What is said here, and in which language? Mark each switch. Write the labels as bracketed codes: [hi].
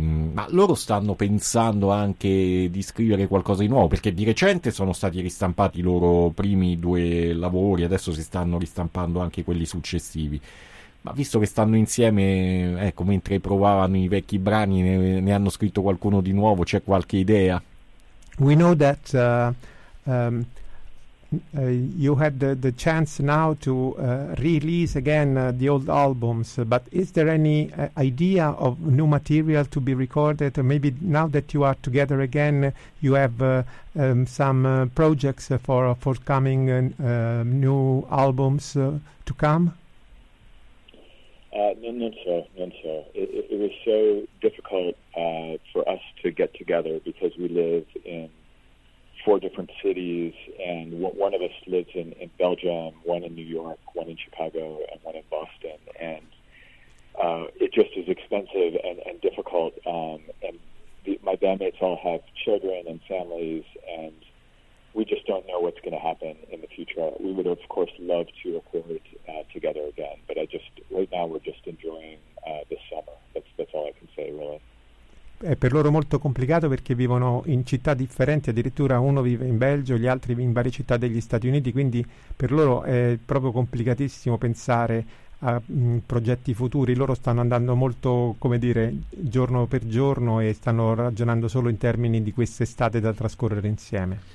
[it] Ma loro stanno pensando anche di scrivere qualcosa di nuovo, perché di recente sono stati ristampati i loro primi due lavori, adesso si stanno ristampando anche quelli successivi. Ma visto che stanno insieme, ecco, mentre provavano i vecchi brani, ne hanno scritto qualcuno di nuovo, c'è qualche idea? [en] We know that you had the chance now to release again the old albums, but is there any idea of new material to be recorded? Maybe now that you are together again, you have some projects for forthcoming new albums to come? Not so. It was so difficult for us to get together because we live in four different cities, and one of us lives in Belgium, one in New York, one in Chicago, and one in Boston. And it just is expensive and difficult. My bandmates all have children and families, and we just don't know what's going to happen in the future. We would, of course, love to record together again, but right now we're just enjoying the summer. That's all I can say, really. [it] È per loro molto complicato perché vivono in città differenti, addirittura uno vive in Belgio, gli altri in varie città degli Stati Uniti, quindi per loro è proprio complicatissimo pensare a progetti futuri. Loro stanno andando molto, come dire, giorno per giorno e stanno ragionando solo in termini di quest'estate da trascorrere insieme.